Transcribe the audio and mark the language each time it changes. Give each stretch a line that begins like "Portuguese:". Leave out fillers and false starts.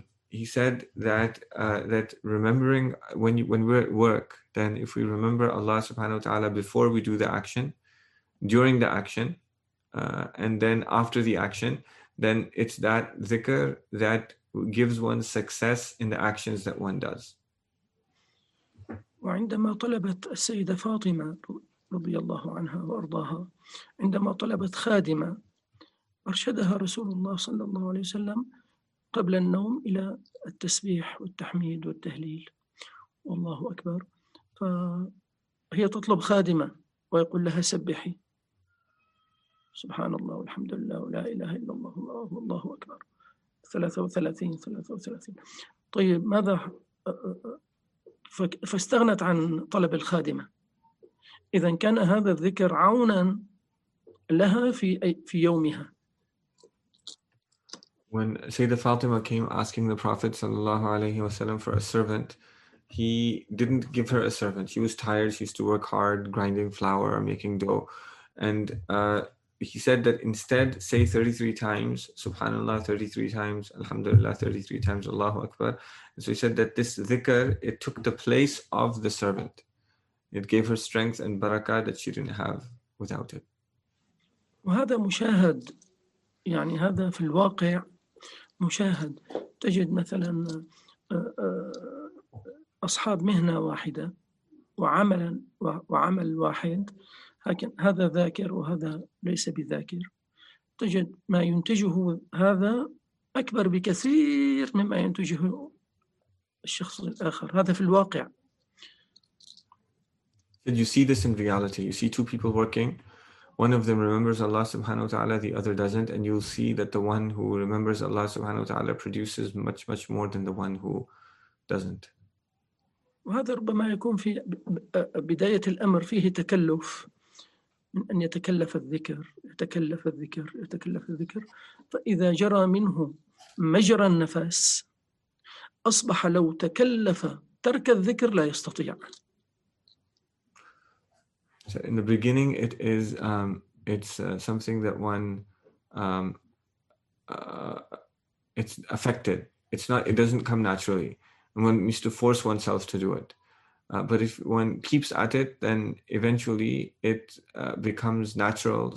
English: He said that that remembering when we're at work, then if we remember Allah subhanahu wa ta'ala before we do the action, during the action, and then after the action, then it's that dhikr that gives one success in the actions that one does.
Arabic: وعندما طلبت السيدة فاطمة رضي الله عنها وأرضاها، عندما طلبت خادمة، أرشدها رسول الله صلى الله عليه وسلم قبل النوم إلى التسبيح والتحميد والتهليل والله أكبر. فهي تطلب خادمة ويقول لها سبحي سبحان الله والحمد لله ولا إله إلا الله والله أكبر 33. طيب ماذا؟ فاستغنت عن طلب الخادمة. إذن كان هذا الذكر عونا لها في يومها.
English: When Sayyida Fatima came asking the Prophet sallallahu alayhi wasallam for a servant, he didn't give her a servant. She was tired. She used to work hard grinding flour or making dough. And he said that instead say 33 times Subhanallah 33 times, Alhamdulillah 33 times, Allahu Akbar. And so he said that this dhikr, it took the place of the servant. It gave her strength and barakah that she didn't have without it.
Arabic: وهذا مشاهد يعني هذا في الواقع مشاهد تجد مثلا أصحاب مهنة واحدة وعمل وعمل واحد لكن هذا ذاكر وهذا ليس بذاكر تجد ما ينتجه هذا أكبر بكثير مما ينتجه الشخص الآخر هذا في الواقع.
English: Did you see this in reality? You see two people working. One of them remembers Allah subhanahu wa ta'ala, the other doesn't. And you'll see that the one who remembers Allah subhanahu wa ta'ala produces much, much more than the one who doesn't.
Arabic: وهذا ربما يكون في بداية الأمر فيه تكلف من أن يتكلف الذكر, يتكلف الذكر, يتكلف الذكر. فإذا جرى منه مجرى النفس أصبح لو تكلف ترك الذكر لا يستطيع.
English: So in the beginning, it is it's something that one it's affected. It's not; it doesn't come naturally, and one needs to force oneself to do it. But if one keeps at it, then eventually it becomes natural.